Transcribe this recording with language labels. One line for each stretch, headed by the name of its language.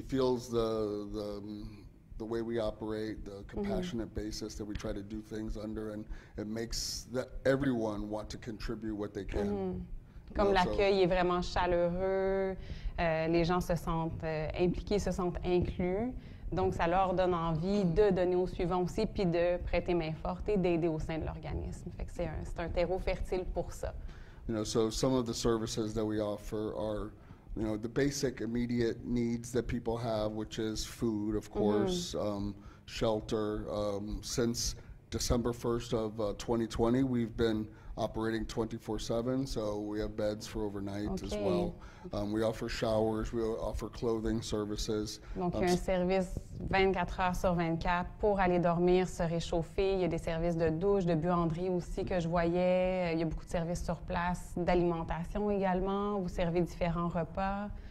English: feels the way we operate, the compassionate basis that we try to do things under, and it makes everyone want to contribute what they can. Mm-hmm.
French: Comme l'accueil est vraiment chaleureux, les gens se sentent impliqués, se sentent inclus, donc ça leur donne envie de donner au suivant aussi, puis de prêter main forte et d'aider au sein de l'organisme. Fait que c'est un terreau fertile pour ça.
English: You know, so some of the services that we offer are, you know, the basic immediate needs that people have, which is food, of course, shelter. Since December 1st of 2020, we've been operating 24/7, so we have beds for overnight as well. We offer showers, we offer clothing services.
French: Donc, il y a un service 24 heures sur 24 pour aller dormir, se réchauffer. Il y a des services de douche, de buanderie aussi que je voyais. Il y a beaucoup de services sur place, d'alimentation également. Vous servez différents repas.